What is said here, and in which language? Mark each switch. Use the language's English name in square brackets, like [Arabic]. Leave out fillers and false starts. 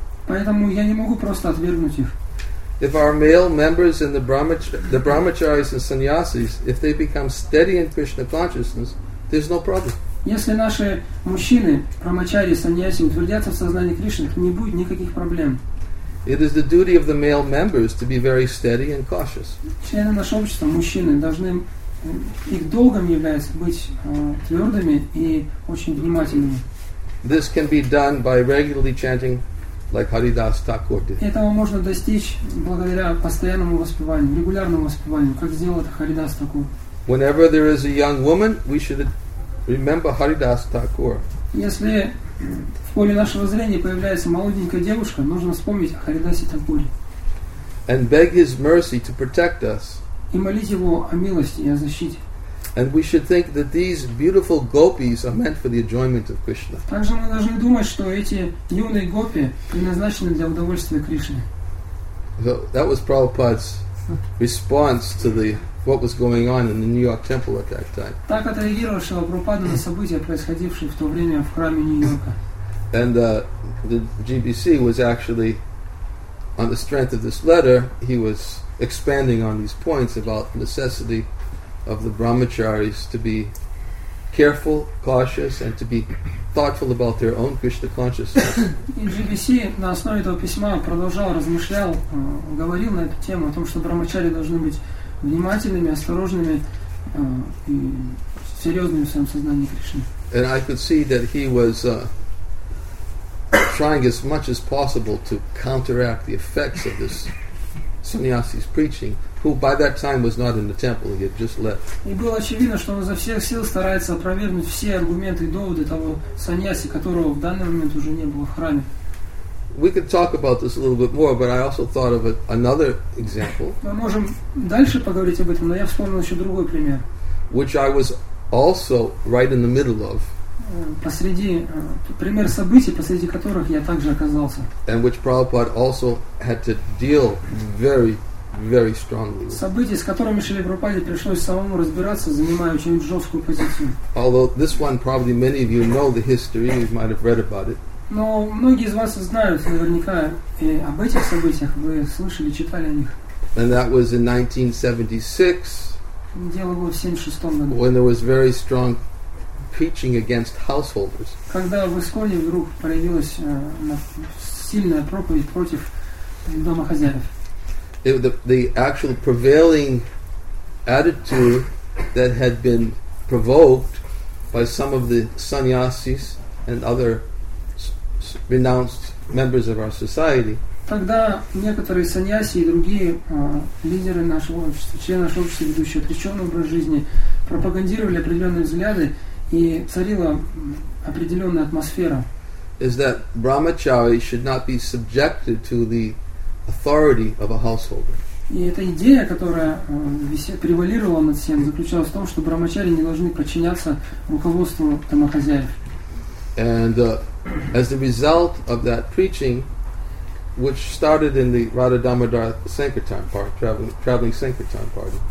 [Russian] Поэтому я не могу просто отвергнуть их. [English] If our male members in the brahmacharis and sannyasis, if they become steady in Krishna consciousness, there's no problem. [Russian] Если наши мужчины, брахмачари, саньяси, утвердятся в сознании Кришны, то не будет никаких проблем. [English] It is the duty of the male members to be very steady and cautious. [Russian] Члены нашего общества, мужчины, должны их долгом является быть твердыми и очень внимательными. [English] This can be done by regularly chanting, like Haridas Thakur did. [Russian] Этого можно достичь благодаря постоянному воспеванию, регулярному воспеванию, как сделал это Харидас Такур. [English] Whenever there is a young woman, we should remember Haridas Thakur. [Russian] Если в поле нашего зрения появляется молоденькая девушка, нужно вспомнить о Харидасе Такуре. [English] And beg his mercy to protect us. [Russian] И молить его о милости и о защите. [English] And we should think that these beautiful gopis are meant for the enjoyment of Krishna. [Russian] Также мы должны думать, что эти юные гопи предназначены для удовольствия Кришны. [English] So that was Prabhupada's response to the what was going on in the New York temple at that time. [Russian] Так отреагировал Шилапрабхупада на события, происходившие в то время в храме Нью-Йорка. [English] And the GBC was actually on the strength of this letter, he was expanding on these points about the necessity of the brahmacharis to be careful, cautious, and to be thoughtful about their own Krishna consciousness. [Russian] GBC на основе этого письма продолжал размышлял, говорил на эту тему о том, что брахмачари должны быть внимательными, осторожными и серьезными в своем сознании Кришны. [English] And I could see that he was trying as much as possible to counteract the effects of this sannyasi's preaching, who by that time was not in the temple, he had just left. [Russian] И было очевидно, что он изо всех сил старается опровергнуть все аргументы и доводы того саньяси, которого в данный момент уже не было в храме. [English] We could talk about this a little bit more, but I also thought of another example. [Russian] Мы можем дальше поговорить об этом, но я вспомнил еще другой пример. [English] Which I was also right in the middle of. [Russian] Посреди пример событий, посреди которых я также оказался. [English] And which Prabhupada also had to deal very, very strongly. [Russian] События, с которыми Шрила Прабхупаде пришлось самому разбираться, занимая очень жесткую позицию. [English] Although this one probably many of you know the history, you might have read about it. [Russian] Но многие из вас знают наверняка и об этих событиях, вы слышали, читали о них. [English] And that was in 1976. [Russian] Дело было в 76 году. [English] When there was very strong preaching against householders. [Russian] Когда в Исконе вдруг появилась сильная проповедь против домохозяев. [English] The actual prevailing attitude that had been provoked by some of the sannyasis and other renounced members of our society. [Russian] Тогда некоторые саньяси и другие лидеры нашего общества, члены нашего общества, ведущие отреченный образ жизни, пропагандировали определенные взгляды. И царила определенная атмосфера. [English] Is that brahmachari should not be subjected to the authority of a householder. [Russian] И эта идея, которая превалировала над всем, заключалась в том, что брахмачари не должны подчиняться руководству домохозяев. [English] And as the result of that preaching, which started in the Radha Damodar Sankirtan party, traveling Sankirtan party.